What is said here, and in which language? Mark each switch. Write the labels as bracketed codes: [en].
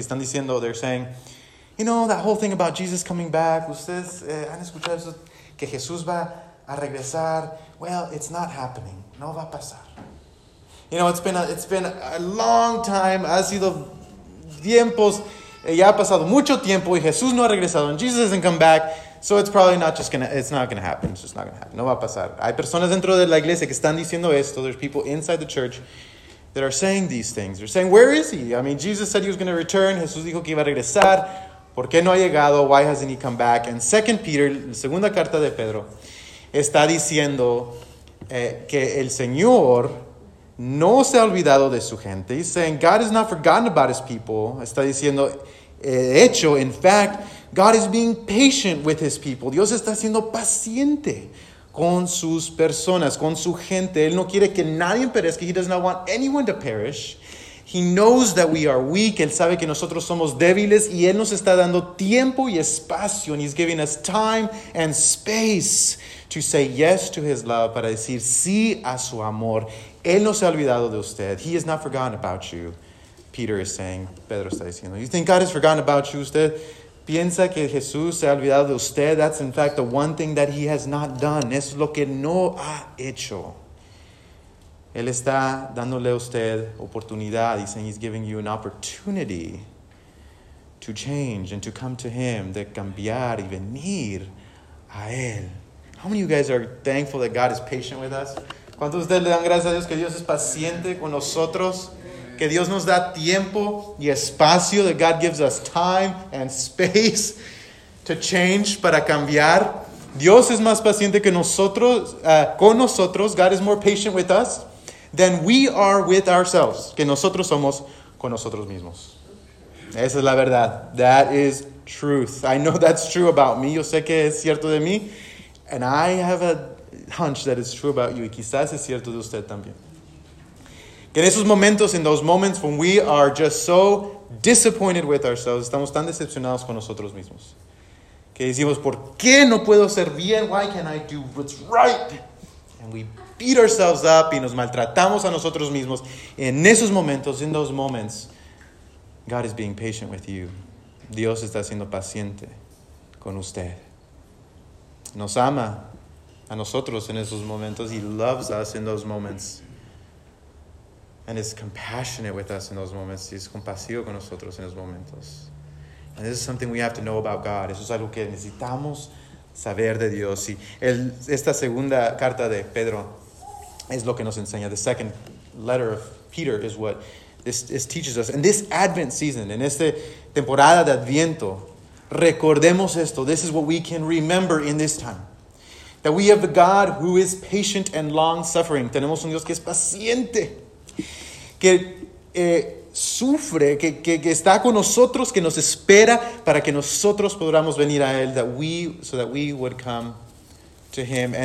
[es] Están diciendo, [en] they're saying, you know, that whole thing about Jesus coming back. [es] Ustedes han escuchado eso, que Jesús va a regresar. [en] Well, it's not happening. [es] No va a pasar. [en] You know, it's been a long time. [es] Ha sido tiempos. Ya ha pasado mucho tiempo y Jesús no ha regresado. [en] And Jesus hasn't come back. So it's not going to happen. [es] No va a pasar. Hay personas dentro de la iglesia que están diciendo esto. [en] There's people inside the church that are saying these things. They're saying, where is he? I mean, Jesus said he was going to return. [es] Jesús dijo que iba a regresar. ¿Por qué no ha llegado? [en] Why hasn't he come back? And Second Peter, [es] la segunda carta de Pedro, está diciendo que el Señor no se ha olvidado de su gente. [en] He's saying, God has not forgotten about his people. [es] Está diciendo, hecho, [en] in fact, God is being patient with his people. [es] Dios está siendo paciente con sus personas, con su gente. Él no quiere que nadie perezca. [en] He does not want anyone to perish. He knows that we are weak. [es] Él sabe que nosotros somos débiles. Y Él nos está dando tiempo y espacio. [en] And he's giving us time and space to say yes to his love, [es] para decir sí a su amor. Él no se ha olvidado de usted. [en] He has not forgotten about you, Peter is saying. [es] Pedro está diciendo, [en] you think God has forgotten about you? [es] Usted piensa que Jesús se ha olvidado de usted? [en] That's in fact the one thing that he has not done. [es] Es lo que no ha hecho. Él está dándole a usted oportunidad. [en] He's saying, he's giving you an opportunity to change and to come to Him, [es] de cambiar y venir a Él. [en] How many of you guys are thankful that God is patient with us? [es] ¿Cuántos de ustedes le dan gracias a Dios que Dios es paciente con nosotros? Que Dios nos da tiempo y espacio, [en] that God gives us time and space to change, [es] para cambiar. Dios es más paciente que nosotros, con nosotros. [en] God is more patient with us than we are with ourselves. [es] Que nosotros somos con nosotros mismos. Esa es la verdad. [en] That is truth. I know that's true about me. [es] Yo sé que es cierto de mí. [en] And I have a hunch that it's true about you. [es] Y quizás es cierto de usted también. Que en esos momentos, [en] in those moments when we are just so disappointed with ourselves, [es] estamos tan decepcionados con nosotros mismos, que decimos, ¿por qué no puedo ser bien? [en] Why can't I do what's right? And we beat ourselves up [es] y nos maltratamos a nosotros mismos. En esos momentos, [en] in those moments, God is being patient with you. [es] Dios está siendo paciente con usted. Nos ama a nosotros en esos momentos. [en] He loves us in those moments. And is compassionate with us in those moments. [es] Y es compasivo con nosotros en esos momentos. [en] And this is something we have to know about God. [es] Eso es algo que necesitamos saber de Dios. Y esta segunda carta de Pedro es lo que nos enseña. [en] The second letter of Peter is what this teaches us. In this Advent season, [es] en esta temporada de Adviento, recordemos esto. [en] This is what we can remember in this time. That we have a God who is patient and long-suffering. [es] Tenemos un Dios que es paciente, que sufre, que está con nosotros, que nos espera para que nosotros podamos venir a Él, [en] so that we would come to Him.